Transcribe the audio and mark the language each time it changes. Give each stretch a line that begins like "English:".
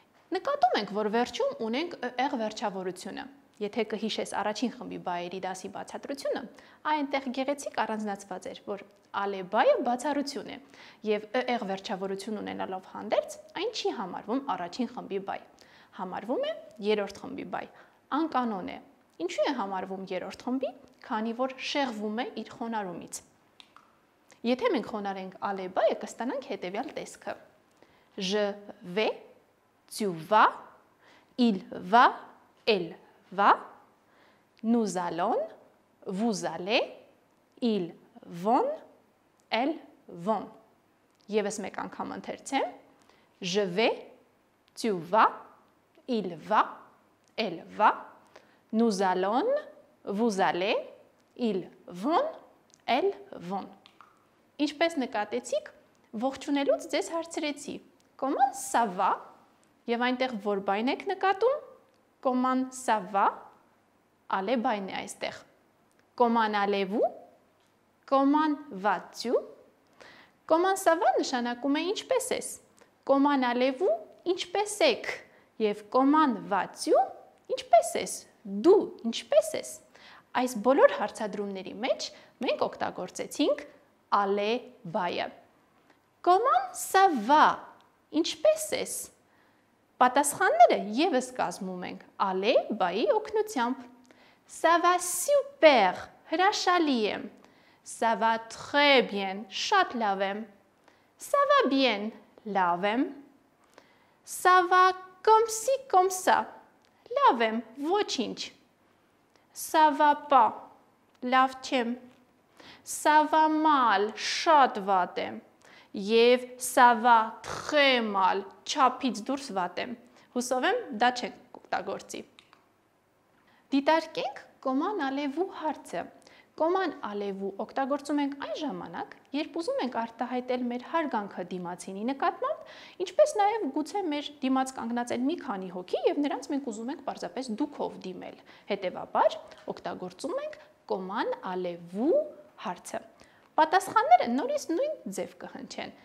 Armenian: Նկատում ենք, որ վերջում ունենք «-ը-ը-ը» վերջավորությունը։ Եթե կհիշես առաջին խմբի բայերի դասի բացատրությունը, այնտեղ գեղեցիկ առանձնացված էր, որ «ալե բայը» բացառություն է, և «ը-ը-ը» վերջավորություն ունենալով հանդերձ, այն չի համարվում առաջին խմբի բայ։ Համարվում է երրորդ խմբի բայ։ Անկանոն է։ Ինչու է համարվում երրորդ խմբի, քանի որ շեղվում է իր խոնարհումից։ Եթե մենք խոնարենք «ալե բայը», կստանանք հետևյալ տեսքը.
French: Ժ վ Tu vas, il va, elle va, nous allons, vous allez, ils vont, elles vont.
Armenian: Եվ ես մեկ անգամ ընթերցեմ.
French: Je vais, tu vas, il va, elle va, nous allons, vous allez, ils vont, elles vont.
Armenian: Ինչպես նկատեցիք, ողջունելուց ձեզ հարցրեցի.
French: Comment ça va?
Armenian: Եվ այնտեղ որ բայն եք նկատում, «Կոման սավա», «ալե» բայն է այստեղ, «Կոման ալևու», «Կոման վացյու», «Կոման սավա» նշանակում է ինչպես ես, «Կոման ալևու» ինչպես եք, և «Կոման վացյու» ինչպես ես, «Դու» ինչպես ես։ Այս բոլոր հարցադրումների մեջ մենք օգտագործեցինք «ալե» բայը. «Կոման սավա» ինչպես ես, Պատասխանները եւս կազմում ենք «ալե» բայի օգնությամբ.
French: «Ça va super»
Armenian: հրաշալի է.
French: «Ça va très bien»
Armenian: շատ լավ եմ.
French: «Ça va bien»
Armenian: լավ եմ.
French: «Ça va comme si comme ça»
Armenian: լավ եմ, ոչինչ.
French: «Ça va pas»
Armenian: լավ չեմ.
French: «Ça va mal»
Armenian: շատ վատ եմ. Եվ
French: «ça va très mal»
Armenian: չափից դուրս վատ եմ։ Հուսով եմ, դա չեք օգտագործի։ Դիտարկենք «կոման ալևու» հարցը։ «Կոման ալևու» օգտագործում ենք այն ժամանակ, երբ ուզում ենք արտահայտել մեր հարգանքը դիմացինի նկատմամբ, ինչպես նաև գուցե մեր դիմաց կանգնած են մի քանի հոգի և նրանց մենք ուզում ենք պարզապես դուքով դիմել։ Հետևաբար օգտագործում ենք «կոման ալևու» հարցը։ Պատասխանները նորից նույն ձև կհնչեն.